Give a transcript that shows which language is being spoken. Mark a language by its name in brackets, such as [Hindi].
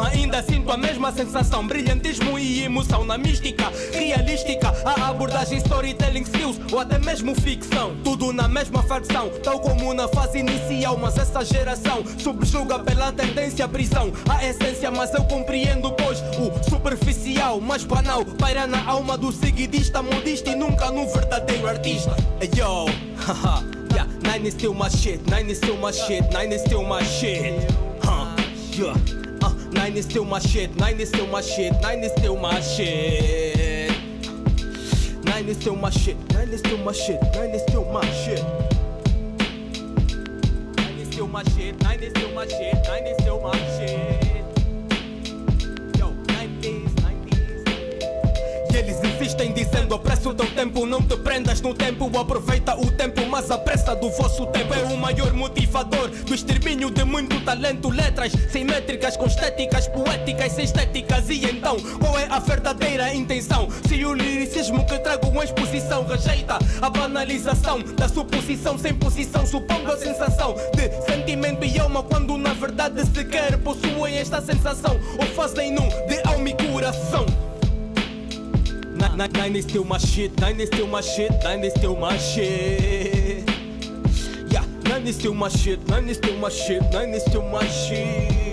[Portuguese] Ainda sinto a mesma sensação, brilhantismo e emoção na mística, realística, a abordagem [English] storytelling skills, [Portuguese] até mesmo ficção, tudo na mesma facção, tal como na fase inicial. Mas essa geração subjuga pela tendência à prisão, a essência, mas eu compreendo, pois o superficial, mas banal, paira na alma do seguidista, modista e nunca no verdadeiro artista. [English] Yo, haha, yeah, nine is still my shit, nine is still my shit, nine is still my shit, huh, yeah, nine is still my shit, nine is still my shit, nine is still my shit. Nine is still my shit, nine is still my shit, nine is still my shit. Nine is still my shit, nine is still my shit, nine is still my shit. Yo, nineties, nineties. [Portuguese] E eles insistem dizendo: apressa o teu tempo, não te prendas no tempo, aproveita o tempo, mas a pressa do vosso tempo é o maior motivador do extermínio de muito talento. Letras simétricas, com estéticas, poéticas, sem estéticas. E então, qual é a verdadeira intenção? Se o liricismo que trago em exposição rejeita a banalização da suposição sem posição, supondo a sensação de sentimento e alma, quando na verdade sequer possuem esta sensação, ou fazem num de alma e coração. [English] Nine is still my shit, nine is still my shit, nine is still my shit. Yeah, nine is still my shit, nine is still my shit, nine is still my shit.